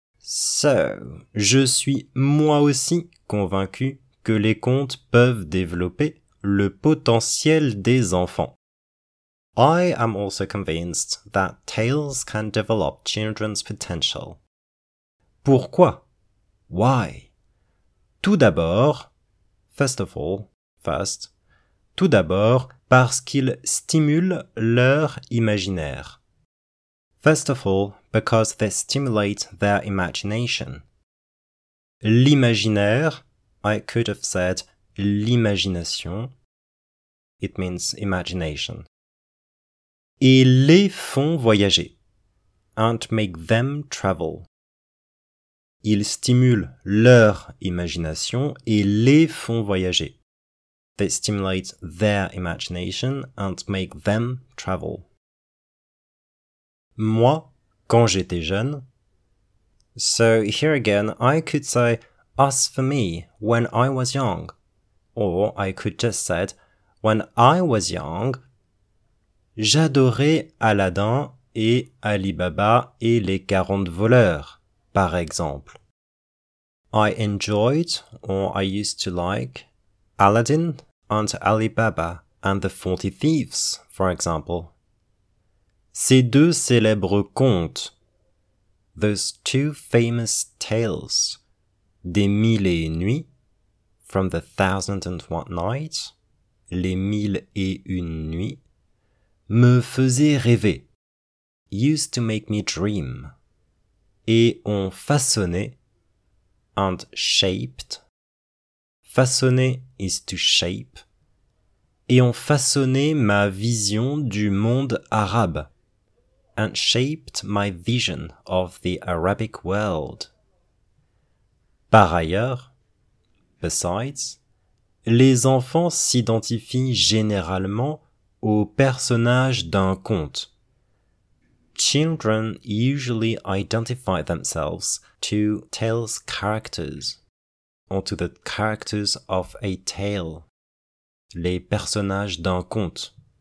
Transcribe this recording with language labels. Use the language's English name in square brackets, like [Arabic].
[French] So, je suis moi aussi convaincu que les contes peuvent développer le potentiel des enfants. [English] I am also convinced that tales can develop children's potential. [French] Pourquoi? Why? Tout d'abord, parce qu'ils stimulent leur imaginaire. [English] First of all, because they stimulate their imagination. L'imaginaire, I could have said l'imagination. It means imagination. [French] Et les font voyager. [English] And make them travel. [French] Ils stimulent leur imagination et les font voyager. [English] They stimulate their imagination and make them travel. [French] Moi, quand j'étais jeune. [English] So here again, I could say as for me, when I was young. Or I could just say when I was young. [French] J'adorais Aladdin et Ali Baba et les 40 voleurs, par exemple. [English] I enjoyed, or I used to like, Aladdin and Ali Baba and the 40 Thieves, for example. [French] Ces deux célèbres contes, [English] those two famous tales, [French] des mille et une nuits, [English] from the Thousand and One Nights, [French] les mille et une nuits, me faisaient rêver, [English] used to make me dream, [French] et ont façonné, [English] and shaped, [French] façonné [English] is to shape, [French] et ont façonné ma vision du monde arabe. [English] And shaped my vision of the Arabic world. [French] Par ailleurs, besides, les enfants s'identifient généralement aux personnages d'un conte. [English] Children usually identify themselves to tales characters, or to the characters of a tale, [French] les personnages d'un conte.